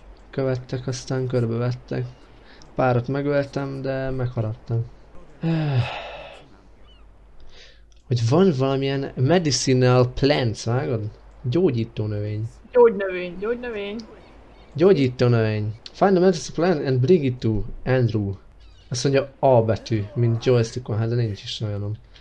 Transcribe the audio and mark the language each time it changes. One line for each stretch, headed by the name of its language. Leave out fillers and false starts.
Hungarian: Követtek, aztán körbevettek. Párat megöltem, de megharadtam. Hogy van valamilyen
English: medicinal plants,
Hungarian: vágod? Gyógyító növény. Gyógynövény, gyógynövény. Gyógyító növény.
English: Find a medicinal plant and bring it to Andrew.
Hungarian: Azt mondja A betű, mint joystickon, hát de nincs is olyanom.